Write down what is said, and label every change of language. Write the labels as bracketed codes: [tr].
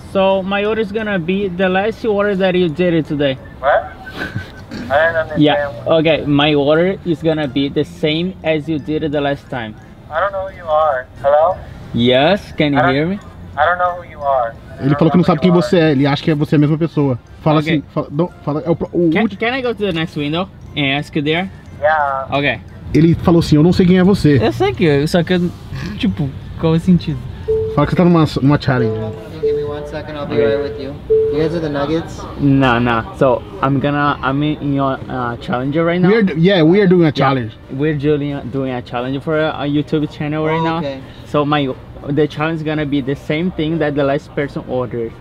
[en] So, my order is gonna be the last order that you did it today. What? I don't understand. Yeah, okay. My order is gonna be the same as you did it the last time. I don't know who you are. Hello? Yes, can you hear me? I don't know who you are. [pt] Ele falou que não sabe quem você é, ele acha que é você a mesma pessoa. Fala okay. Assim, fala, não, fala, é o [en] can I go to the next window and ask you there? Yeah. Ok. [pt] Ele falou assim, eu não sei quem é você. Eu sei que, só que, tipo, qual é o sentido? Fala que você tá numa challenge. [en] Give me 1 second, I'll be right with you. You guys are the Nuggets? Nah. So, I'm in your challenge right now. We are doing a challenge. Yeah. We're doing a challenge for a YouTube channel right now. Okay. So, the challenge is gonna be the same thing that the last person ordered.